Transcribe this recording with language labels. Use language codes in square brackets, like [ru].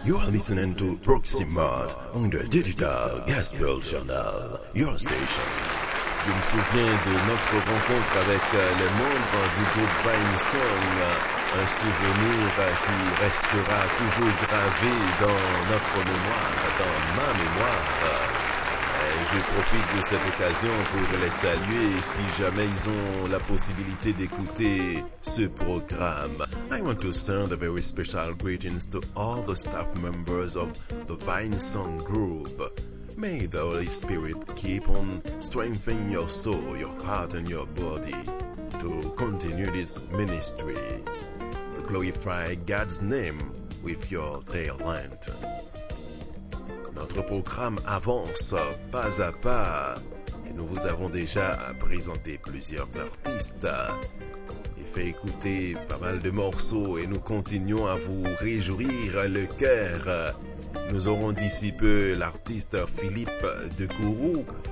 [en] listening to Proxima on the Digital Gospel Channel, your station. [fr] Je me souviens de notre rencontre avec les membres du groupe Vine Song, un souvenir qui restera toujours gravé dans notre mémoire, dans ma mémoire. Je profite de cette occasion pour les saluer si jamais ils ont la possibilité d'écouter ce programme. [en] I want to send a very special greetings to all the staff members of the Vine Song Group. May the Holy Spirit keep on strengthening your soul, your heart and your body to continue this ministry, to glorify God's name with your talent. [fr] Notre programme avance pas à pas et nous vous avons déjà présenté plusieurs artistes et fait écouter pas mal de morceaux et nous continuons à vous réjouir le cœur. Nous aurons d'ici peu l'artiste Philippe de Kourou.